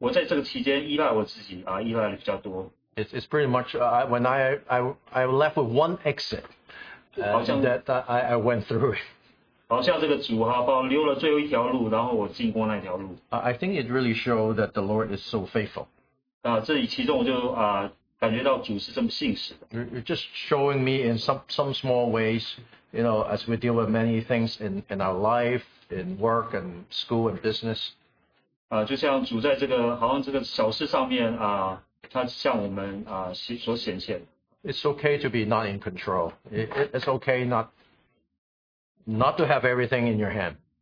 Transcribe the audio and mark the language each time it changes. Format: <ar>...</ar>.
<zh>我不能说我就是好像遵循刚刚讲那个圣经所讲，我在这个期间依赖我自己，依赖的比较多。</zh> <en>It's pretty much when I left with one exit,</en> <zh>好像,</zh> <en>that I went through.</en> <zh>好像这个主啊，把我留了最后一条路，然后我经过那条路。</zh> <en>I think it really showed that the Lord is so faithful.</en> <zh>这里其中我就感觉到主是这么信实的。</zh> <en>You're just showing me in some small ways, you know, as we deal with many things in our life, in work and school and business.</en> <zh>就像主在这个好像这个小事上面，他向我们所显现。</zh> <en>It's okay to be not in control. It's okay not to have everything in your hand.</en>